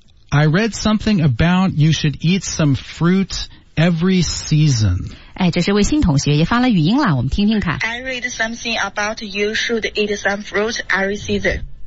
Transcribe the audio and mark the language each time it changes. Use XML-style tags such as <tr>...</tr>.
<en>I read something about you should eat some fruit every season.</en> <zh>哎，这是位新同学也发了语音了，我们听听看。</zh> <en>I read something about you should eat some fruit every season.</en>